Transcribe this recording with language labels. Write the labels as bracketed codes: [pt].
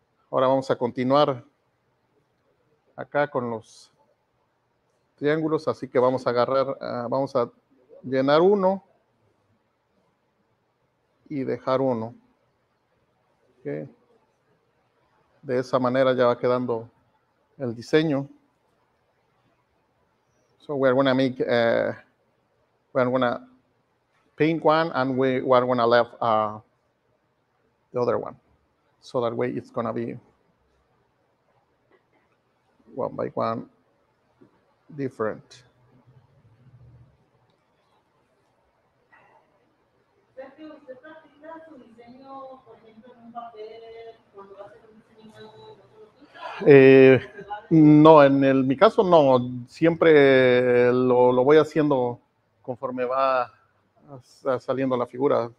[es] Ahora vamos a continuar acá con los triángulos, así que vamos a agarrar, vamos a llenar uno y dejar uno, ¿okay? De esa manera ya va quedando el diseño. [en] So we're gonna make, we're gonna paint one and we're gonna leave the other one, so that way it's gonna be one by one different. Perfect. [es] que usted practica su diseño, por ejemplo, en un papel, cuando va a hacer un diseño nuevo, ¿no se lo pinta? No, en el, mi caso no. Siempre lo voy haciendo conforme va saliendo la figura.